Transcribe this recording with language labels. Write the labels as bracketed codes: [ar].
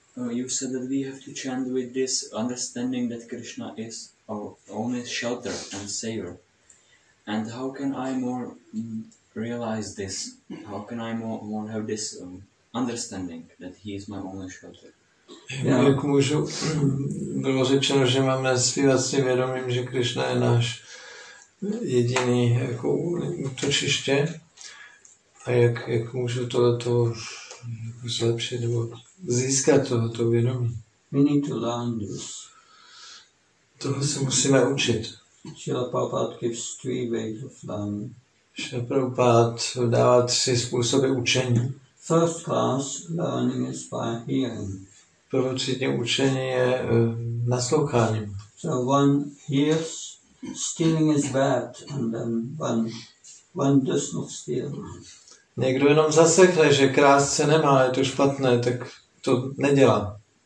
[en] You've said that we have to chant with this understanding that Krishna is our only shelter and savior. And how can I more realize this? How can I more have this understanding that he is my only shelter? Yeah. [cs] Jak můžu, bylo řečeno, že máme zpívat si vědomím, že Krishna je náš jediný jako útočiště. A jak můžu tohleto zlepšit nebo získat tohleto vědomí? [en] We need to learn this. [cs] Toho se musíme učit. [en] Srila Prabhupada gives three ways of learning. [cs] Srila Prabhupada dává tři způsoby učení. [en] First class learning is by hearing. [cs] Prvotřídní učení je nasloucháním. [en] So one hears, stealing is bad, and then one does not steal. [cs] Někdo jenom zasekne, že krást se nemá, je to špatné, tak to nedělá.